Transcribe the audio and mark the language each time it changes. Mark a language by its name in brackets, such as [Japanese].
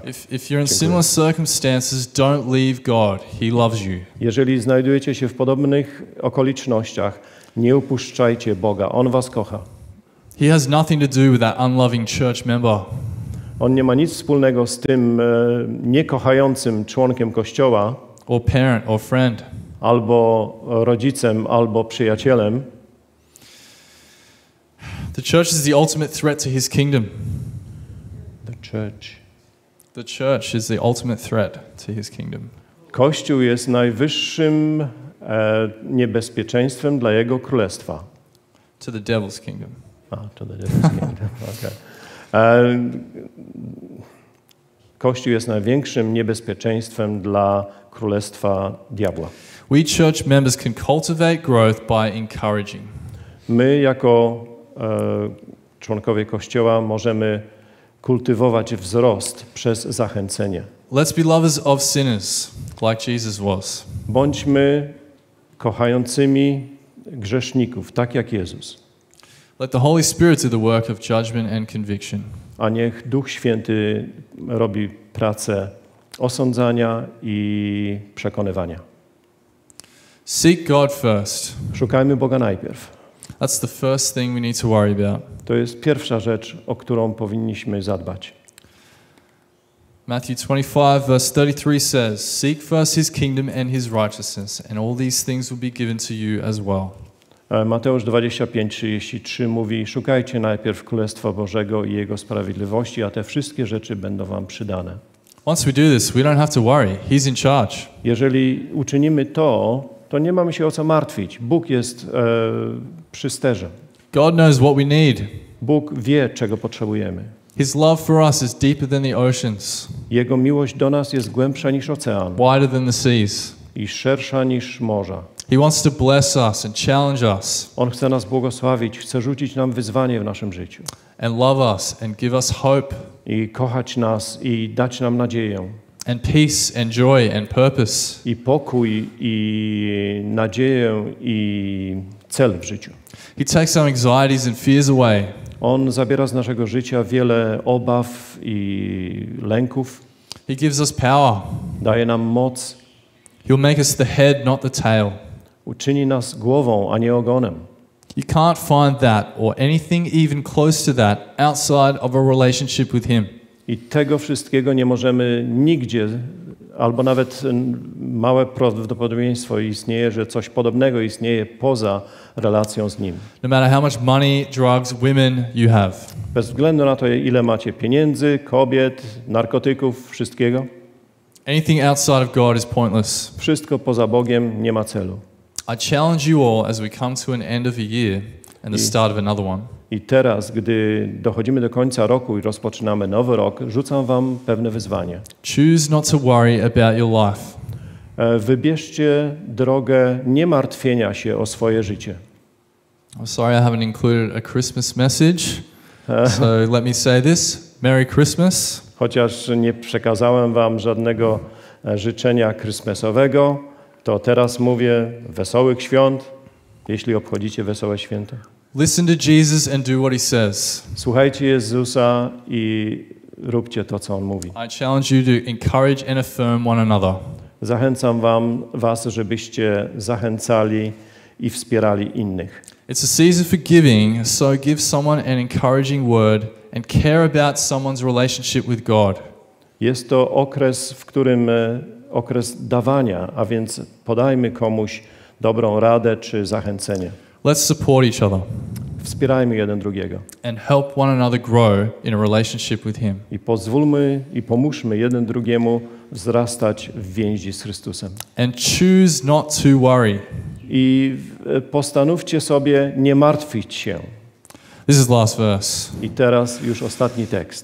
[English] If you're in similar circumstances, don't leave God. He loves you. [Polish] Jeżeli znajdujecie się w podobnych okolicznościach, nie opuszczajcie Boga. On was kocha. [English] He has nothing to do with that unloving church member. [Polish] On nie ma nic wspólnego z tym niekochającym członkiem kościoła. [English] Or parent, or friend. [Polish] Albo rodzicem, albo przyjacielem. [English] The church is the ultimate threat to his kingdom. The church. The church is the ultimate threat to his kingdom. [Polish] Kościół jest najwyższym niebezpieczeństwem dla jego królestwa. [English] To the devil's kingdom. To the devil's kingdom. Okay. [Polish] Kościół jest największym niebezpieczeństwem dla królestwa diabła. [English] We church members can cultivate growth by encouraging. [Polish] My jako członkowie kościoła możemy kultywować wzrost przez zachęcenie. [English] Let's be lovers of sinners, like Jesus was. [Polish] Bądźmy kochającymi grzeszników, tak jak Jezus. [English] Let the Holy Spirit do the work of judgment and conviction. [Polish] A niech Duch Święty robi pracę osądzania i przekonywania. [English] Seek God first. [Polish] Szukajmy Boga najpierw. [English] That's the first thing we need to worry about. [Polish] To jest pierwsza rzecz, o którą powinniśmy zadbać. [English] Matthew 25, verse 33 says, "Seek first his kingdom and his righteousness, and all these things will be given to you as well." [Polish] Mateusz 25:33 mówi: "Szukajcie najpierw Królestwa Bożego i jego sprawiedliwości, a te wszystkie rzeczy będą wam przydane." [English] Once we do this, we don't have to worry. He's in charge. [Polish] Jeżeli uczynimy to, to nie mamy się o co martwić. Bóg jest przy sterze. [English] God knows what we need. [Polish] Bóg wie, czego potrzebujemy. [English] His love for us is deeper than the oceans. [Polish] Jego miłość do nas jest głębsza niż ocean. [English] Wider than the seas. [Polish] I szersza niż morza. [English] He wants to bless us and challenge us. [Polish] On chce nas błogosławić, chce rzucić nam wyzwanie w naszym życiu. [English] And love us and give us hope. [Polish] I kochać nas i dać nam nadzieję. [English] And peace and joy and purpose. [Polish] I pokój i nadzieję i cel w życiu. [English] He takes our anxieties and fears away. [Polish] On zabiera z naszego życia wiele obaw i lęków. [English] He gives us power. [Polish] Daje nam moc. [English] He'll make us the head, not the tail. [Polish] Uczyni nas głową, a nie ogonem. [English] You can't find that or anything even close to that outside of a relationship with him. [Polish] I tego wszystkiego nie możemy nigdzie, albo nawet małe prawdopodobieństwo istnieje, że coś podobnego istnieje poza relacją z Nim. [English] No matter how much money, drugs, women you have. [Polish] Bez względu na to, ile macie pieniędzy, kobiet, narkotyków, wszystkiego. [English] Anything outside of God is pointless. [Polish] Wszystko poza Bogiem nie ma celu. [English] I challenge you all as we come to an end of a year and the start of another one. [Polish] I teraz, gdy dochodzimy do końca roku i rozpoczynamy nowy rok, rzucam wam pewne wyzwanie. [English] Choose not to worry about your life. [Polish] Wybierzcie drogę nie martwienia się o swoje życie. [English] I'm sorry I haven't included a Christmas message. So let me say this. Merry Christmas. [Polish] Chociaż nie przekazałem wam żadnego życzenia Christmasowego, to teraz mówię wesołych świąt, jeśli obchodzicie wesołe święta. [English] Listen to Jesus and do what he says. [Polish] Słuchajcie Jezusa i róbcie to, co on mówi. [English] I challenge you to encourage and affirm one another. [Polish] Zachęcam was, żebyście zachęcali i wspierali innych. [English] It's a season for giving, so give someone an encouraging word and care about someone's relationship with God. [Polish] Jest to okres, w którym okres dawania, a więc podajmy komuś dobrą radę czy zachęcenie. [English] Let's support each other. [Polish] Wspierajmy jeden drugiego. [English] And help one another grow in a relationship with him. [Polish] I pozwólmy i pomóżmy jeden drugiemu wzrastać w więzi z Chrystusem. [English] And choose not to worry. [Polish] I postanówcie sobie nie martwić się. [English] This is last verse. [Polish] I teraz już ostatni tekst.